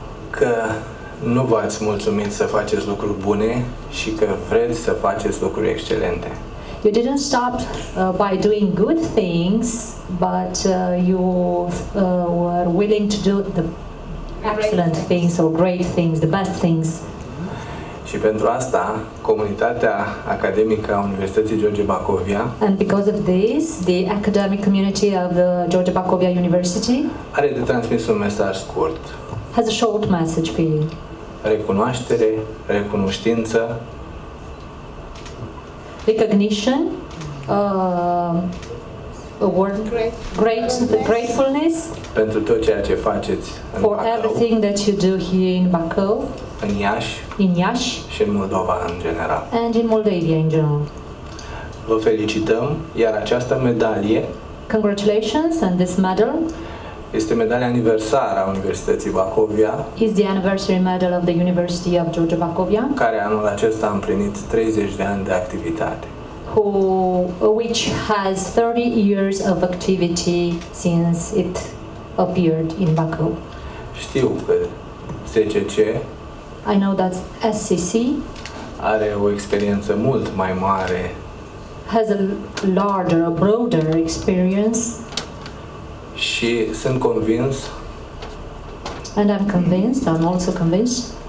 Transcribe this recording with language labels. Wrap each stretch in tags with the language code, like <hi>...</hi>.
<ro>că nu v-ați mulțumit să faceți lucruri bune și că vreți să faceți lucruri excelente.</ro> <en>You didn't stop by doing good things, but you were willing to do the excellent things or great things, the best things.</en> <ro>Și pentru asta, comunitatea academică a Universității George Bacovia</ro> <en>and because of this, the academic community of the George Bacovia University</en> <ro>are de transmis un mesaj scurt.</ro> <en>Has a short message for you.</en> <ro>Recunoaștere, recunoștință.</ro> <en>Recognition. A word. Gratefulness.</en> <ro>Pentru tot ceea ce faceți în Bacău.</ro> <en>For everything that you do here in Bacău.</en> <ro>În Iași.</ro> <en>In Iași.</en> <ro>Și în Moldova în general.</ro> <en>And in Moldavia in general.</en> <ro>Vă felicităm, iar această medalie.</ro> <en>Congratulations and this medal.</en> <ro>Este medalia aniversară a Universității Bacovia.</ro> <en>Is the anniversary medal of the University of George Bacovia.</en> <ro>Care anul acesta a împlinit 30 de ani de activitate.</ro> <en>Which has 30 years of activity since it appeared in Bacău.</en> <ro>Știu că SCC.</ro> <en>I know that SCC</en> <ro>are o experiență mult mai mare.</ro> <en>Has a larger, a broader experience.</en> <ro>Și sunt convins.</ro> <en>And I'm convinced, I'm also convinced</en>